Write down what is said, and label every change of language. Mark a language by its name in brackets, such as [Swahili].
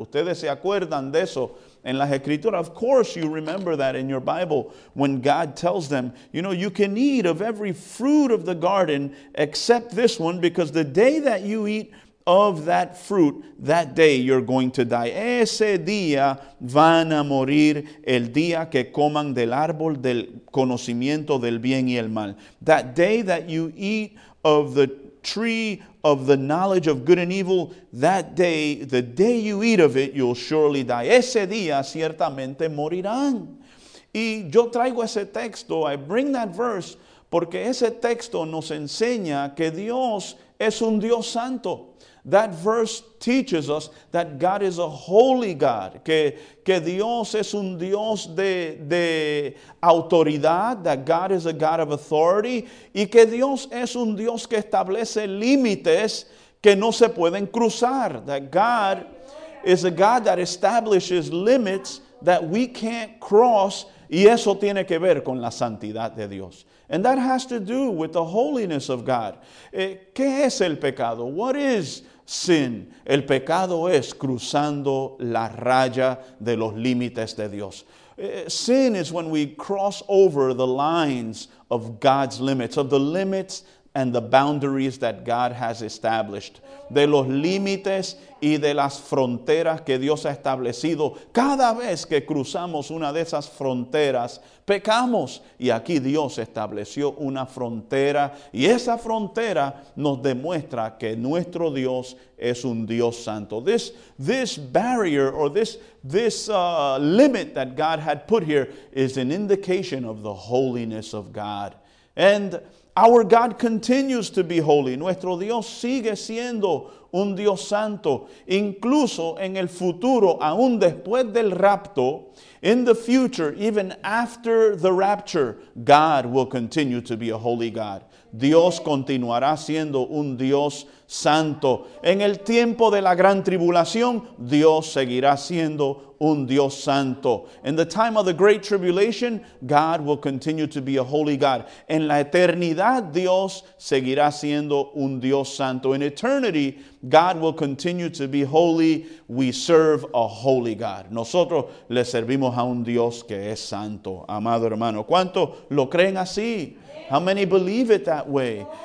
[Spanish] Ustedes se acuerdan de eso. En las escrituras, [English] of course you remember that in your Bible when God tells them, you know, you can eat of every fruit of the garden except this one because the day that you eat of that fruit, that day you're going to die. [Spanish] Ese día van a morir el día que coman del árbol del conocimiento del bien y el mal. [English] That day that you eat of the tree of the knowledge of good and evil, that day, the day you eat of it, you'll surely die. [Spanish] Ese día ciertamente morirán. Y yo traigo ese texto, [English] I bring that verse, [Spanish] porque ese texto nos enseña que Dios es un Dios santo. [English] That verse teaches us that God is a holy God, [Spanish] que Dios es un Dios de autoridad, [English] that God is a God of authority, [Spanish] y que Dios es un Dios que establece límites que no se pueden cruzar. [English] That God is a God that establishes limits that we can't cross, [Spanish] y eso tiene que ver con la santidad de Dios. [English] And that has to do with the holiness of God. [Spanish] ¿Qué es el pecado? [English] What is sin? [Spanish] El pecado es cruzando la raya de los límites de Dios. [English] Sin is when we cross over the lines of God's limits, of the limits and the boundaries that God has established. [Spanish] De los límites y de las fronteras que Dios ha establecido. Cada vez que cruzamos una de esas fronteras, pecamos. Y aquí Dios estableció una frontera. Y esa frontera nos demuestra que nuestro Dios es un Dios santo. [English] This barrier or this limit that God had put here is an indication of the holiness of God. And our God continues to be holy. [Spanish] Nuestro Dios sigue siendo un Dios santo. Incluso en el futuro, aún después del rapto, [English] in the future, even after the rapture, God will continue to be a holy God. [Spanish] Dios continuará siendo un Dios santo. En el tiempo de la gran tribulación, Dios seguirá siendo un Dios santo. [English] In the time of the great tribulation, God will continue to be a holy God. [Spanish] En la eternidad, Dios seguirá siendo un Dios santo. [English] In eternity, God will continue to be holy. We serve a holy God. [Spanish] Nosotros le servimos a un Dios que es santo. Amado hermano, ¿cuántos lo creen así? [English] How many believe it that way?